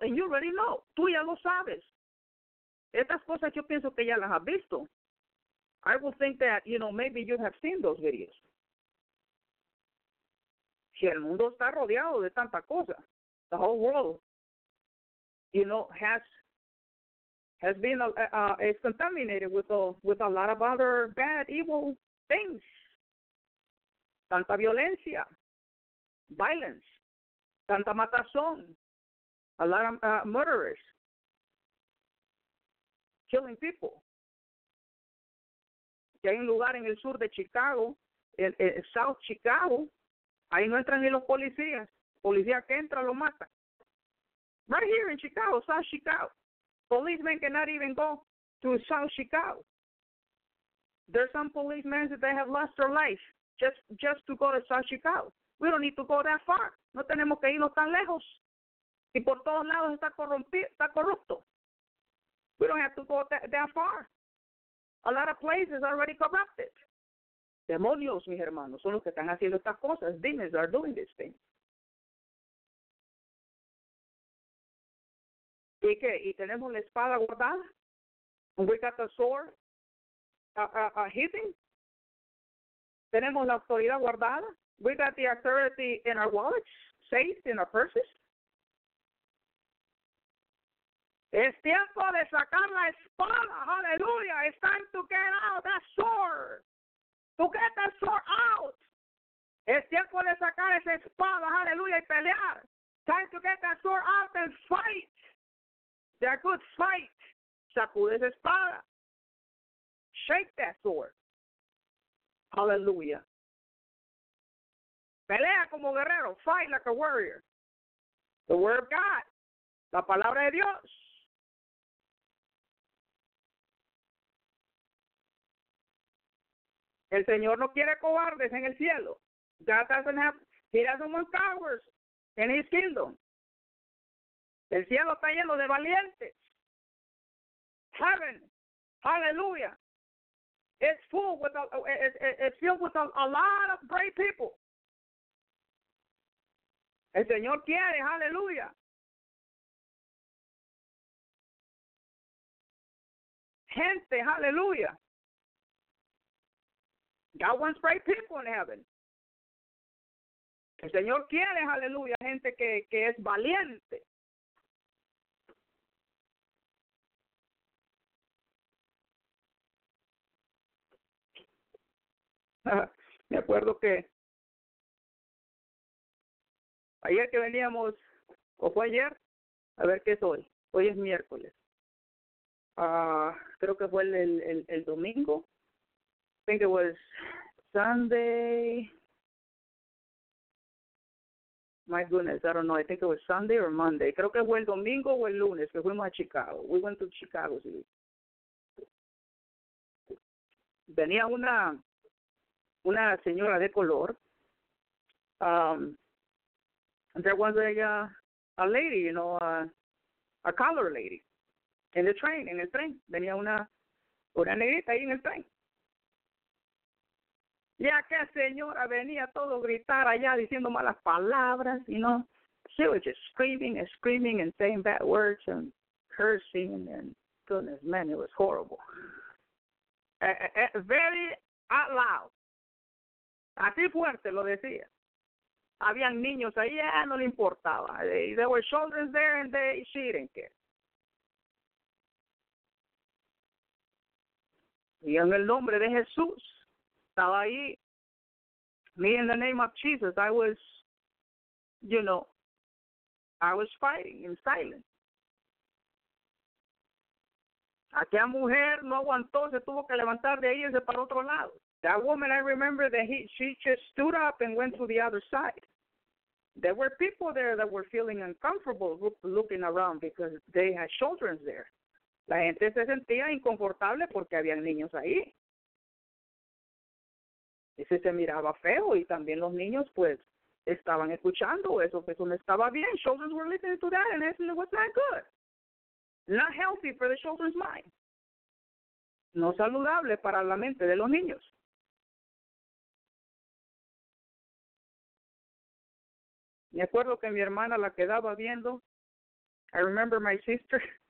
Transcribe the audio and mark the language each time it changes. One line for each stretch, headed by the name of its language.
English: And you already know.
Spanish: Tú ya lo sabes. Estas cosas yo pienso que ya las has visto.
English: I would think that, you know, maybe you have seen those videos.
Spanish: Si el mundo está rodeado de tanta cosa,
English: the whole world, you know, has been is contaminated with a lot of other bad, evil things.
Spanish: Tanta violencia,
English: violence,
Spanish: tanta matazón,
English: a lot of murderers. Killing people.
Spanish: Que hay un lugar en el sur de Chicago, en South Chicago, ahí no entran ni los policías. Policía que entra lo mata.
English: Right here in Chicago, South Chicago. Policemen cannot even go to South Chicago. There's some policemen that they have lost their life just to go to South Chicago. We don't need to go that far.
Spanish: No tenemos que irnos tan lejos. Y por todos lados está corrupto.
English: We don't have to go that far. A lot of places are already corrupted.
Spanish: Demonios, mis hermanos, son los que están haciendo estas cosas.
English: Demons are doing these things.
Spanish: ¿Y qué? ¿Y tenemos la espada guardada?
English: We got the sword hidden?
Spanish: ¿Tenemos la autoridad guardada?
English: We got the authority in our wallets, safe in our purses?
Spanish: Es tiempo de sacar la espada, aleluya.
English: It's time to get out that sword. To get that sword out.
Spanish: Es tiempo de sacar esa espada, aleluya, y pelear.
English: Time to get that sword out and fight. The good fight.
Spanish: Sacude esa espada.
English: Shake that sword. Aleluya.
Spanish: Pelea como guerrero.
English: Fight like a warrior. The word of God.
Spanish: La palabra de Dios. El Señor no quiere cobardes en el cielo.
English: God doesn't have, he doesn't want cowards in his kingdom.
Spanish: El cielo está lleno de valientes.
English: Heaven, hallelujah. It's filled with a lot of brave people.
Spanish: El Señor quiere, aleluya. Gente, aleluya.
English: God wants great people in heaven.
Spanish: El Señor quiere, aleluya, gente que es valiente. Me acuerdo que ayer que veníamos, o fue ayer, a ver qué es hoy. Hoy es miércoles. Creo que fue el domingo.
English: I think it was Sunday. My goodness, I don't know. I think it was Sunday or Monday.
Spanish: Creo que fue el domingo o el lunes que fuimos a Chicago.
English: We went to Chicago.
Spanish: Sí. Venía una señora de color.
English: There was a lady, you know, a color lady in the train,
Spanish: en el tren. Venía una negrita ahí en el tren. Y aquella señora venía todo gritar allá diciendo malas palabras, you know.
English: She was just screaming and saying bad words and cursing and goodness, man, it was horrible. Very out loud.
Spanish: Así fuerte lo decía. Habían niños ahí, ya no le importaba.
English: There were children there and she didn't care.
Spanish: Y en el nombre de Jesús, estaba ahí.
English: Me, in the name of Jesus, I was, you know, I was fighting in silence.
Spanish: Aquella mujer no aguantó, se tuvo que levantar de ahí y se para otro lado.
English: That woman, I remember that she just stood up and went to the other side. There were people there that were feeling uncomfortable looking around because they had children there.
Spanish: La gente se sentía inconfortable porque había niños ahí. Y se miraba feo y también los niños pues estaban escuchando eso, pues no estaba bien.
English: Children were listening to that and it was not good. Not healthy for the children's mind.
Spanish: No saludable para la mente de los niños. Me acuerdo que mi hermana la quedaba viendo.
English: I remember my sister.